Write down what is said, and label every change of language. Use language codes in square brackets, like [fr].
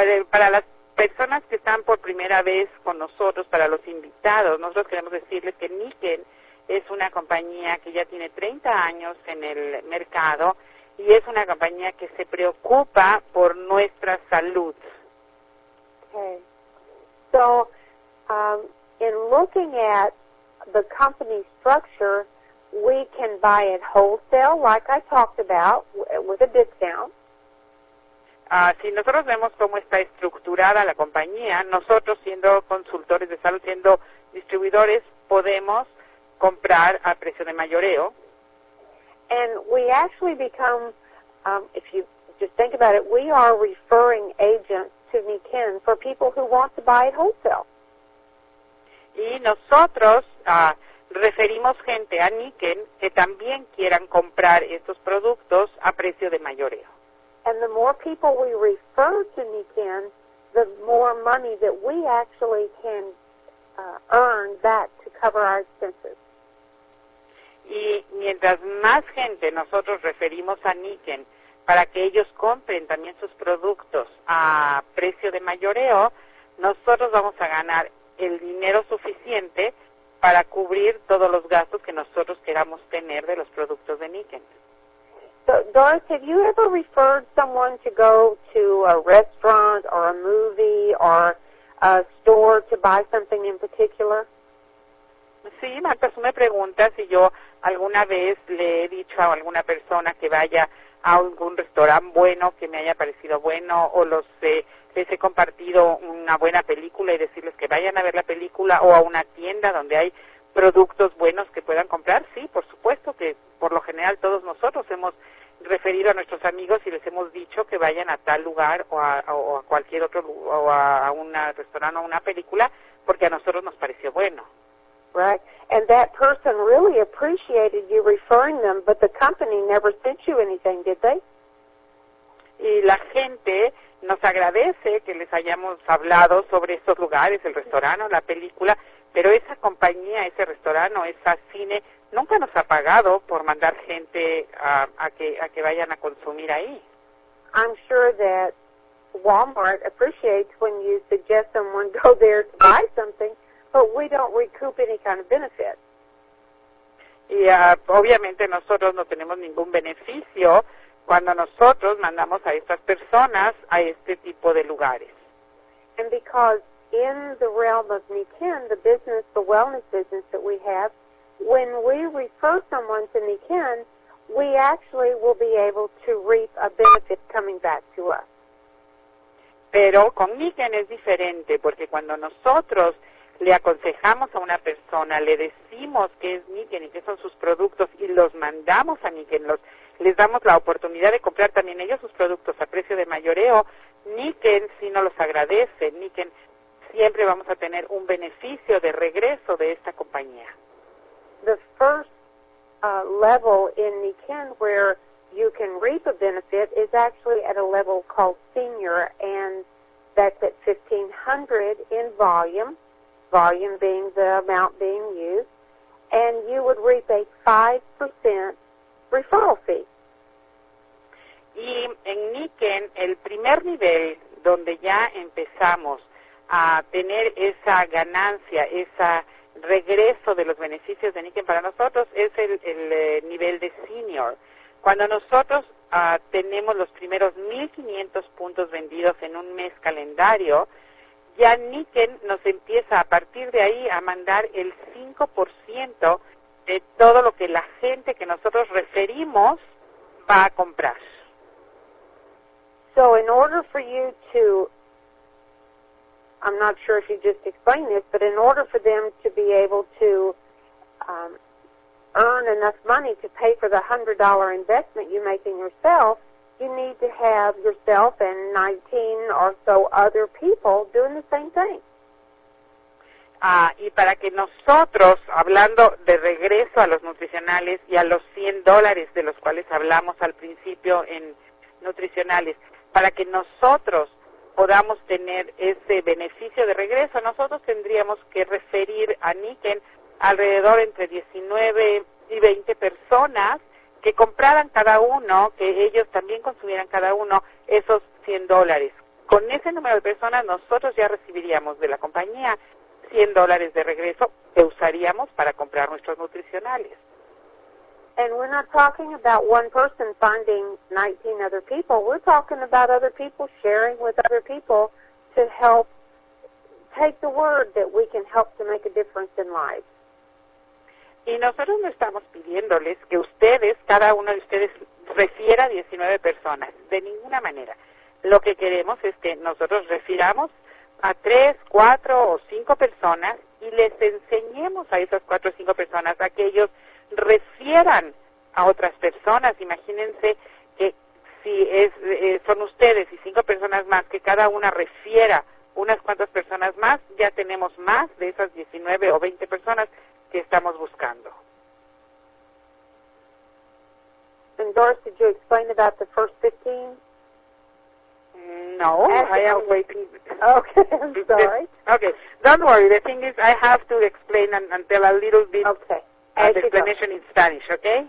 [es] Para las personas que están por primera vez con nosotros, para los invitados, nosotros queremos decirles que Niken es una compañía que ya tiene 30 años en el mercado y es una compañía que se preocupa por nuestra salud. [en] Okay. So, in looking at the company structure, we can buy it wholesale, like I talked about, with a discount. [es] Si nosotros vemos cómo está estructurada la compañía, nosotros siendo consultores de salud, siendo distribuidores, podemos comprar a precio de mayoreo. [en] And we actually become, if you just think about it, we are referring agents to Nikin for people who want to buy at wholesale. [es] Y nosotros referimos gente a Nikin que también quieran comprar estos productos a precio de mayoreo. [en] And the more people we refer to Nikin, the more money that we actually can earn back to cover our expenses. [es] Y mientras más gente nosotros referimos a Nikin para que ellos compren también sus productos a precio de mayoreo, nosotros vamos a ganar el dinero suficiente para cubrir todos los gastos que nosotros queramos tener de los productos de Nikin. [en] So, Doris, have you ever referred someone to go to a restaurant or a movie or a store to buy something in particular? [es] Sí, Marta, tú me preguntas si yo alguna vez le he dicho a alguna persona que vaya a algún restaurante bueno, que me haya parecido bueno, o les he compartido una buena película y decirles que vayan a ver la película, o a una tienda donde hay productos buenos que puedan comprar. Sí, por supuesto que por lo general todos nosotros hemos referido a nuestros amigos y les hemos dicho que vayan a tal lugar o a cualquier otro lugar, o a un restaurante o una película, porque a nosotros nos pareció bueno. [en] Right. And that person really appreciated you referring them, but the company never sent you anything, did they? [es] Y la gente nos agradece que les hayamos hablado sobre estos lugares, el restaurante o la película, pero esa compañía, ese restaurante o ese cine nunca nos ha pagado por mandar gente a que vayan a consumir ahí. [en] I'm sure that Walmart appreciates when you suggest someone go there to buy something, but we don't recoup any kind of benefit. [es] Y obviamente nosotros no tenemos ningún beneficio cuando nosotros mandamos a estas personas a este tipo de lugares. [en] And because in the realm of Nikin, the business, the wellness business that we have, when we refer someone to Nikin, we actually will be able to reap a benefit coming back to us. [es] Pero con Nikin es diferente, porque cuando nosotros le aconsejamos a una persona, le decimos que es Nikin y que son sus productos y los mandamos a Nikin, les damos la oportunidad de comprar también ellos sus productos a precio de mayoreo, Nikin sí nos los agradece, Nikin siempre vamos a tener un beneficio de regreso de esta compañía. [en] The first level in Nikin where you can reap a benefit is actually at a level called senior, and that's at 1500 in volume being the amount being used, and you would reap a 5% referral fee. [es] Y en Nikin, el primer nivel donde ya empezamos a tener esa ganancia, esa regreso de los beneficios de Nikin para nosotros es el nivel de senior. Cuando nosotros tenemos los primeros 1,500 puntos vendidos en un mes calendario, ya Nikin nos empieza a partir de ahí a mandar el 5% de todo lo que la gente que nosotros referimos va a comprar. [en] So in order for you to, I'm not sure if you just explained this, but in order for them to be able to earn enough money to pay for the $100 investment you make in yourself, you need to have yourself and 19 or so other people doing the same thing. [es] Y para que nosotros, hablando de regreso a los nutricionales y a los $100 de los cuales hablamos al principio en nutricionales, para que nosotros podamos tener ese beneficio de regreso, nosotros tendríamos que referir a Nikin alrededor entre 19 y 20 personas que compraran cada uno, que ellos también consumieran cada uno esos $100. Con ese número de personas nosotros ya recibiríamos de la compañía $100 de regreso que usaríamos para comprar nuestros nutricionales. [en] And we're not talking about one person finding 19 other people. We're talking about other people sharing with other people to help take the word that we can help to make a difference in life. [es] Y nosotros no estamos pidiéndoles que ustedes, cada uno de ustedes, refiera a 19 personas. De ninguna manera. lo que queremos es que nosotros refiramos a 3, 4 o 5 personas y les enseñemos a esas 4 o 5 personas a que ellos refieran a otras personas. Imagínense que si es son ustedes y 5 personas más, que cada una refiera unas cuantas personas más, ya tenemos más de esas 19 o 20 personas que estamos buscando. [en] And Doris, did you explain about the first 15? No, I am waiting. Okay, I'm sorry. Okay, don't worry. The thing is, I have to explain and tell a little bit of the explanation in Spanish, okay?